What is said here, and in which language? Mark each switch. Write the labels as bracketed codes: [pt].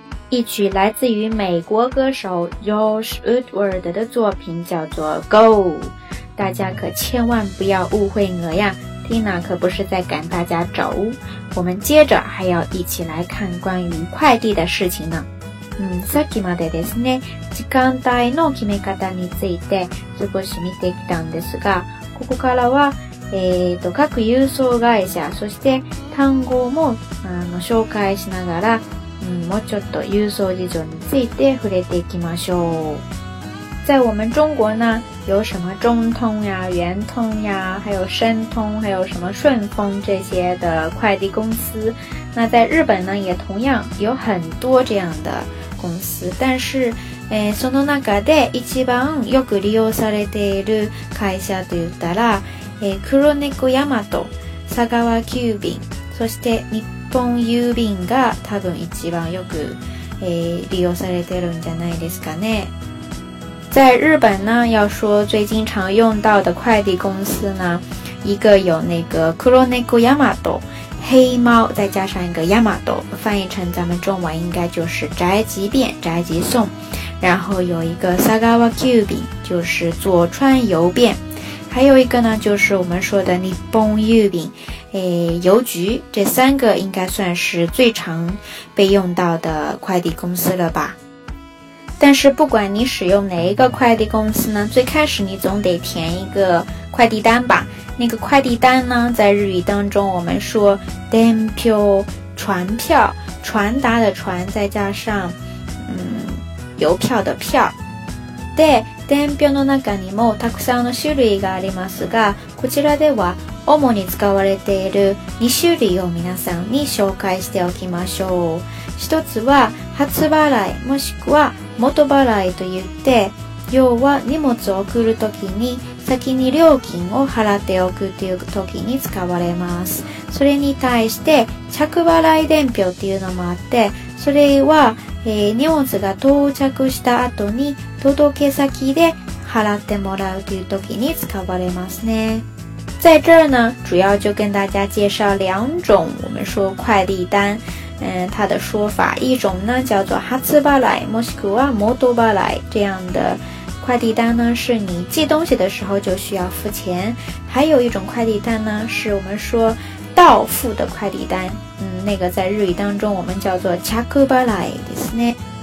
[zh] 一曲来自于美国歌手 Josh Woodward 的作品叫做 Go， 大家可千万不要误会我呀， Tina 可不是在赶大家走，我们接着还要一起来看关于快递的事情呢。 [ja] さっきまでですね、時間帯の決め方について少し見てきたんですが、ここからは各郵送会社そして単語も紹介しながら、もうちょっと郵送事情について触れていきましょう。 [zh] 在我们中国呢，有什么中通呀、圆通呀，还有申通，还有什么顺丰这些的快递公司。那在日本呢，也同样有很多这样的公司。 [ja] 但是，その中で一番よく利用されている会社と言ったら、黒猫ヤマト、佐川急便、そして日本郵便が多分一番よく、利用されてるんじゃないですかね。 [zh] 在日本呢，要说最经常用到的快递公司呢，一个有那个黒猫ヤマト，黑猫，再加上一个ヤマト，翻译成咱们中文应该就是宅急便、宅急送。然后有一个佐川急便，就是佐川邮便。还有一个呢，就是我们说的日本郵便，邮局，这三个应该算是最常被用到的快递公司了吧。但是不管你使用哪一个快递公司呢，最开始你总得填一个快递单吧。那个快递单呢，在日语当中我们说伝票，传票，传达的传，再加上邮票的票。 [ja] で、伝票の中にもたくさんの種類がありますが、こちらでは主に使われている2種類を皆さんに紹介しておきましょう。一つは初払い、もしくは元払いといって、要は荷物を送るときに先に料金を払っておくというときに使われます。それに対して着払い伝票っていうのもあって、それは、荷物が到着した後に届け先で払ってもらうというときに使われますね。 [zh] 在这儿呢，主要就跟大家介绍两种我们说快递单，它的说法，一种呢叫做哈兹巴莱，莫斯科啊，摩多巴莱这样的快递单呢，是你寄东西的时候就需要付钱。还有一种快递单呢，是我们说到付的快递单，那个在日语当中我们叫做恰克巴莱ですね。